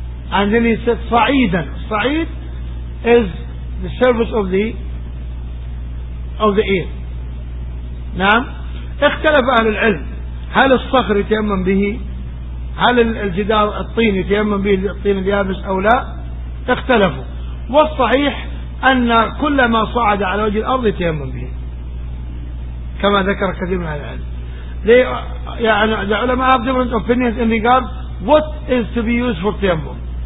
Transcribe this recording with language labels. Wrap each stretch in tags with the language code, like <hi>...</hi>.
<en>And then he said Sa'idan. Sa'id is the surface of the ear.</en> <ar>نعم اختلف أهل العلم هل الصخر يتيمم به هل الجدار الطين يتيمم به الطين اليابس أو لا اختلفوا والصحيح أن كل ما صعد على وجه الأرض يتيمم به كما ذكر كثير من أهل العلم.</ar> <en>The علماء have different opinions in regard what is to be used for تيمم.</en>